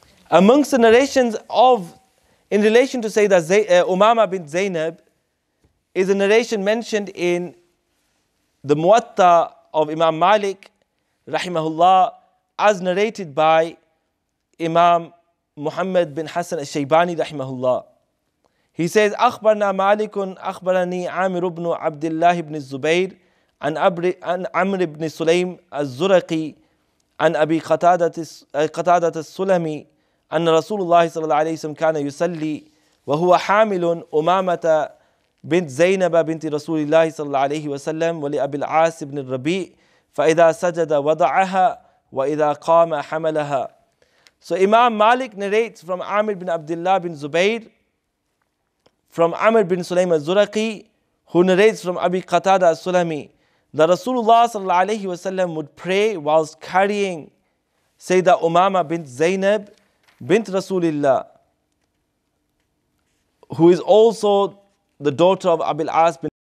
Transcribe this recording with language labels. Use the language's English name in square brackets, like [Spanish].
[English] Amongst the narrations of, in relation to Umama bin Zainab, is a narration mentioned in the Muwatta of Imam Malik, rahimahullah, as narrated by Imam Muhammad bin Hassan al-Shaybani, rahimahullah. He says, [Arabic] أخبرنا مالك أخبرني عامر بن عبد الله بن الزبير عن عمرو بن سليم الزرقي عن أبي قتادة السلمي أن رسول الله صلى الله عليه وسلم كان يصلي وهو حامل أمامة بنت زينب بنت رسول الله صلى الله عليه وسلم ولأبي العاص بن الربيع فإذا سجد وضعها وإذا قام حملها. [English] So Imam Malik narrates from عامر بن عبد الله بن الزبير, from Amr bin Sulaym al-Zuraqi, who narrates from Abi Qatada al-Sulami, that Rasulullah sallallahu alayhi wa sallam would pray whilst carrying Sayyida Umama bint Zainab bint Rasulullah, who is also the daughter of Abil As bin.